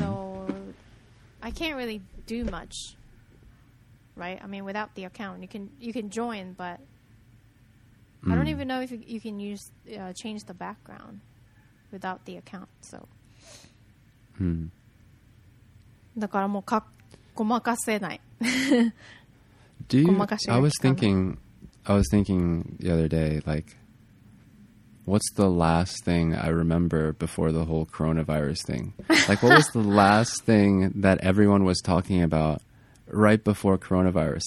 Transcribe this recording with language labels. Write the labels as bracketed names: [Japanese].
[English] So I can't really do much, right? I mean, without the account, you can join, but... I don't even know if you can use change the background without the account. So, [Japanese] うん、だからもうかごまかせない。 [English] Do you, I was thinking the other day, like, what's the last thing I remember before the whole coronavirus thing? Like, what was the last thing that everyone was talking about right before coronavirus?